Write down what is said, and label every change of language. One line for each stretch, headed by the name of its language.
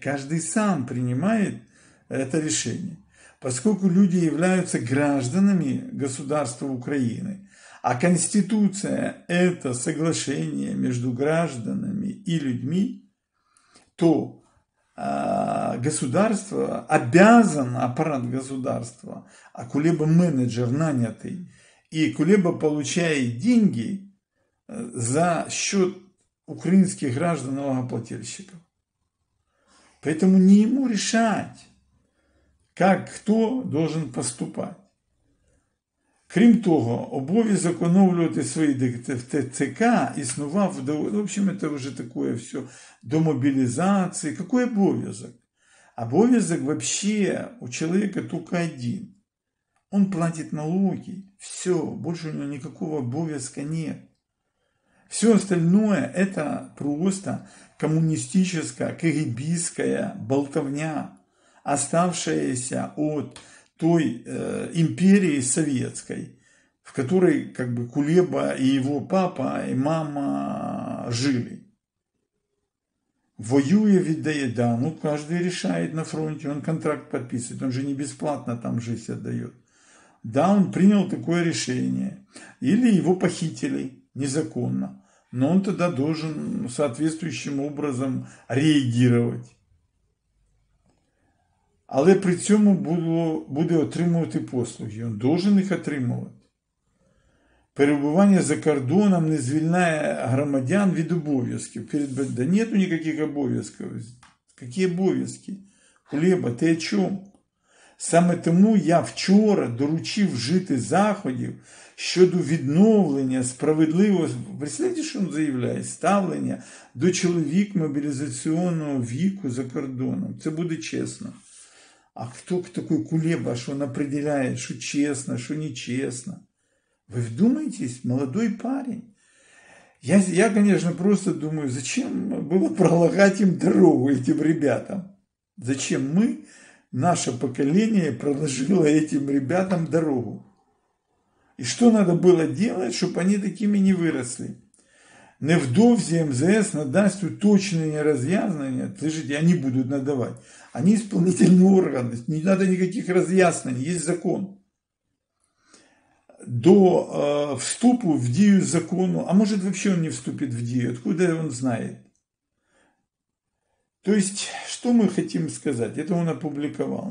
Russian: Каждый сам принимает это решение. Поскольку люди являются гражданами государства Украины, а Конституция – это соглашение между гражданами и людьми, то государство обязано, аппарат государства, а Кулеба менеджер нанятый, и Кулеба получает деньги за счет украинских граждан налогоплательщиков. Поэтому не ему решать, как кто должен поступать.
Ukrainian: Крім того, обов'язок оновлювати свої ДТЦК існував,
Russian: в общем, это уже такое все,
Ukrainian: до мобілізації.
Russian: Какой обов'язок? Обов'язок вообще у человека только один. Он платит налоги, все, больше у него никакого обов'язка нет. Все остальное – это просто коммунистическая, кагибистская болтовня, оставшаяся от той империи советской, в которой как бы Кулеба и его папа, и мама жили. Воюя, видает, да, ну каждый решает на фронте, он контракт подписывает, он же не бесплатно там жизнь отдает. Да, он принял такое решение, или его похитили незаконно. Но он тогда должен соответствующим образом реагировать.
Ukrainian: Але при цьому буде отримувати послуги.
Russian: Он должен их отримувати.
Ukrainian: Перебування за кордоном не звільняє громадян від обов'язків.
Russian: Да нету никаких обов'язків.
Ukrainian: Які обов'язки? Хліба, ти о чому? Саме тому я вчора доручив вжити заходів щодо відновлення справедливості. Представляєте, що він заявляє? Ставлення до чоловік мобілізаційного віку за кордоном. Це буде чесно. А хто такий Кулеба, що він определяє, що чесно, що не чесно? Ви вдумайтесь, молодий парень. Я, звісно, просто думаю, зачем було пролагати їм дорогу, цим ребятам?
Russian: Зачем ми... Наше поколение проложило этим ребятам дорогу. И что надо было делать, чтобы они такими не выросли?
Ukrainian: Невдовзі МЗС надасть уточнення роз'яснення.
Russian: Слышите, они будут надавать. Они исполнительные органы. Не надо никаких роз'яснень. Есть закон.
Ukrainian: До вступу в дію закону.
Russian: А может вообще он не вступит в дію? Откуда он знает? То есть, что мы хотим сказать? Это он опубликовал.